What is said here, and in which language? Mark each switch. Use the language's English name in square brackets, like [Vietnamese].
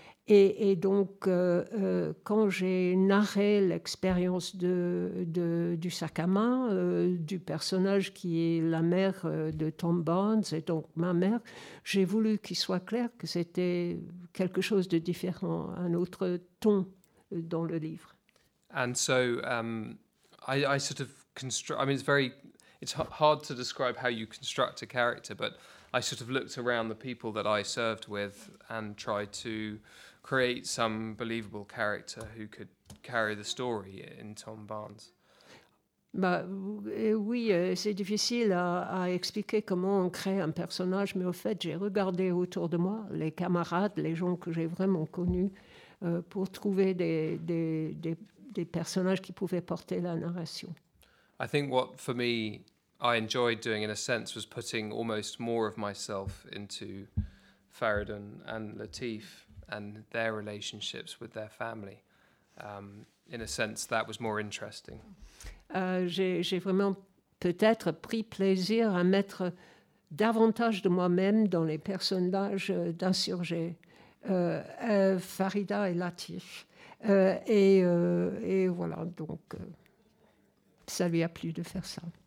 [French] Et donc, quand j'ai narré l'expérience du sac à main, du personnage qui est la mère de Tom Barnes, et donc ma mère, j'ai voulu qu'il soit clair que c'était quelque chose de différent, un autre ton dans le livre. [English] And so, I sort of construct, I mean, it's hard to describe how you construct a character, but I sort of looked around the people that I served with and tried to create some believable character who could carry the story in Tom Barnes. [French] Bah, oui, c'est difficile à expliquer comment on crée un personnage, mais au fait, j'ai regardé autour de moi les camarades, les gens que j'ai vraiment connus, pour trouver des personnages qui pouvaient porter la narration. [English] I think what, for me, I enjoyed doing, in a sense, was putting almost more of myself into Faridoun and Latif and their relationships with their family. in a sense, that was more interesting. [French] J'ai vraiment peut-être pris plaisir à mettre davantage de moi-même dans les personnages d'insurgés, Farida et Latif. Et voilà, donc ça lui a plu de faire ça.